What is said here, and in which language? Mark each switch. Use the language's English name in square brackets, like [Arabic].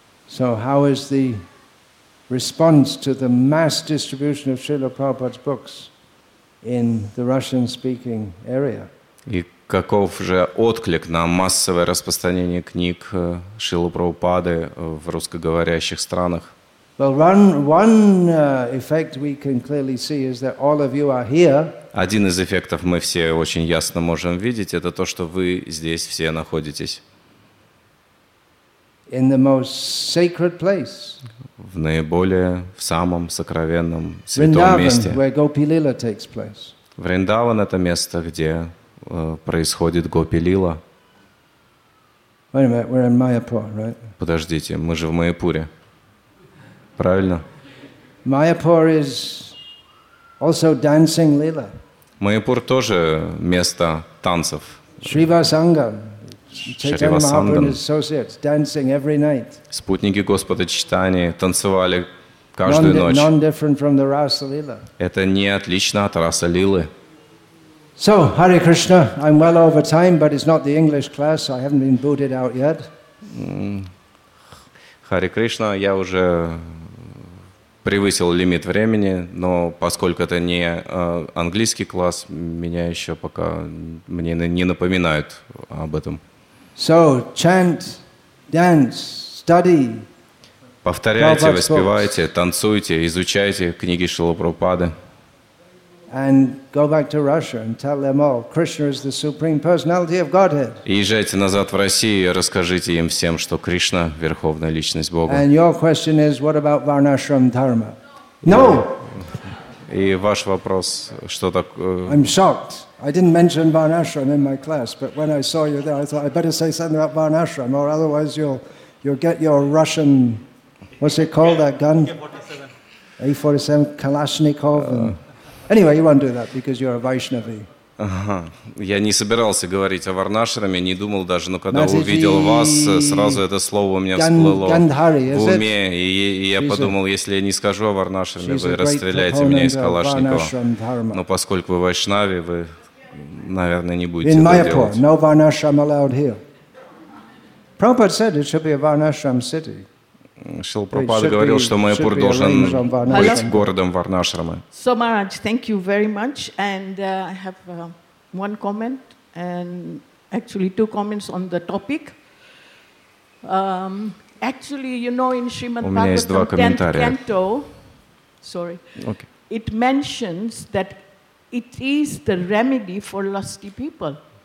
[English] So how is the response to the mass distribution of Srila Prabhupada's books in the Russian-speaking area? [Russian] И каков же отклик на массовое распространение книг Шрилы Прабхупады в русскоговорящих странах? [English] Well, one effect we can clearly see is that all of you are here. [Russian] Один из эффектов мы все очень ясно можем видеть, это то, что вы здесь все находитесь. [English] In the most sacred place. [Russian] В самом сокровенном святом месте. [English] Where Gopi Lila takes place. [Russian] Вриндаван — это место, где происходит Гопи Лила. [English] Wait a minute, we're in Mayapur, right? [Russian] Подождите, мы же в Майяпуре. Правильно? [English] Mayapur is also dancing Lila. [Russian] Майяпур тоже место танцев. Шривасангам. Шривасангам. [English] Dancing every night. [Russian] Спутники Господа Чайтаньи танцевали каждую ночь. [English] Non-different from the Rasa Lila. [Russian] Это не отлично от Раса Лилы. [English] So, Hare Krishna, I'm well over time, but it's not the English class, so I haven't been booted out yet. [Russian] Hare Krishna, я уже превысил лимит времени, но поскольку это не английский класс, меня еще пока мне не напоминают об этом. [English] So, chant, dance, study. [Russian] Повторяйте, воспевайте, танцуйте, изучайте книги Шрилы Прабхупады. [English] And go back to Russia and tell them all, Krishna is the supreme personality of Godhead. [Russian] Езжайте назад в Россию и расскажите им всем, что Кришна — верховная личность Бога. [English] And your question is, what about Varnashram Dharma? No! [Russian] И ваш вопрос, что такое? [English] I'm shocked. I didn't mention Varnashram in my class, but when I saw you there, I thought, I better say something about Varnashram, or otherwise you'll get your Russian What's it called, that gun? A-47 Kalashnikov. Anyway, you won't do that because you're a Vaishnavi. [Russian] Я не собирался говорить о варнашраме, не думал даже, но когда увидел вас, сразу это слово у меня всплыло в уме, и я подумал, если я не скажу о варнашраме, вы расстреляете меня из Калашникова. Но поскольку вы вайшнави, вы, наверное, не будете это делать. Шилпрапад говорил, что Майяпур должен быть городом варнашрамы. [English] So Maharaj, thank you very much, and I have one comment, and actually two comments on the topic. Actually, you know, in Shrimad Bhagavatam 10th canto, it mentions that it is the remedy for lusty people.